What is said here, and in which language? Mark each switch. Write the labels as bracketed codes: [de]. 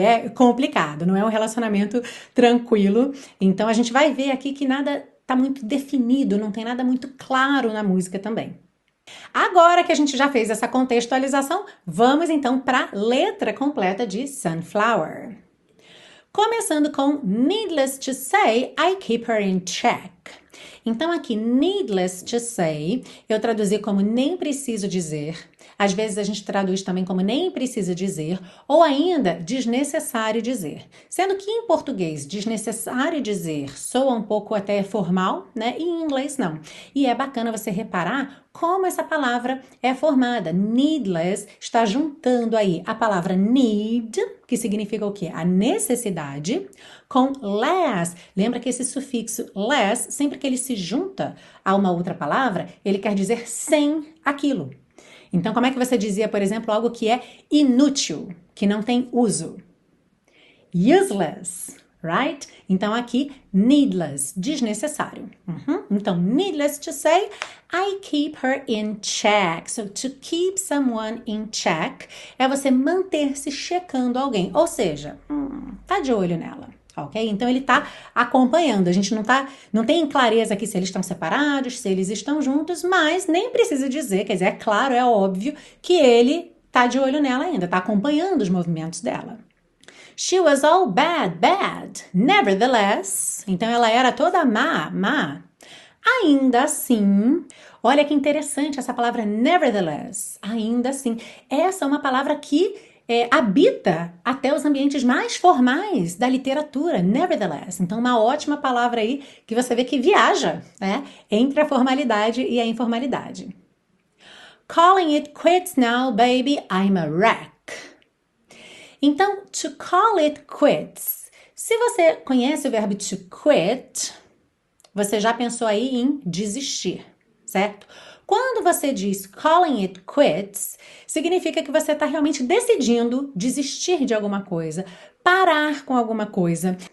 [pt] É complicado, não é um relacionamento tranquilo. Então a gente vai ver aqui que nada tá muito definido, não tem nada muito claro na música também. Agora que a gente já fez essa contextualização, vamos então para a letra completa de Sunflower. Começando com [en] Needless to say, I keep her in check. [pt] Então, aqui, [en] needless to say, [pt] eu traduzi como nem preciso dizer. Às vezes a gente traduz também como nem precisa dizer, ou ainda desnecessário dizer. Sendo que em português, desnecessário dizer soa um pouco até formal, né? E em inglês não. E é bacana você reparar como essa palavra é formada. Needless está juntando aí a palavra need, que significa o quê? A necessidade, com less. Lembra que esse sufixo less, sempre que ele se junta a uma outra palavra, ele quer dizer sem aquilo. Então, como é que você dizia, por exemplo, algo que é inútil, que não tem uso? [en] Useless, right? [pt] Então, aqui, needless, desnecessário. [en] Então, needless to say, I keep her in check. So, to keep someone in check [pt] é você manter-se checando alguém. Ou seja, tá de olho nela. Okay? Então ele está acompanhando. A gente não tem clareza aqui se eles estão separados, se eles estão juntos, mas nem precisa dizer, quer dizer, é claro, é óbvio que ele está de olho nela ainda, está acompanhando os movimentos dela. [en] She was all bad, bad. Nevertheless, [pt] então ela era toda má, má. Ainda assim, olha que interessante essa palavra nevertheless. Ainda assim, essa é uma palavra que habita até os ambientes mais formais da literatura, nevertheless. Então, uma ótima palavra aí que você vê que viaja, né? Entre a formalidade e a informalidade. [en] Calling it quits now, baby, I'm a wreck. [pt] Então, [en] to call it quits. [pt] Se você conhece o verbo to quit, você já pensou aí em desistir, certo? Quando você diz [en] calling it quits, [pt] significa que você está realmente decidindo desistir de alguma coisa, parar com alguma coisa.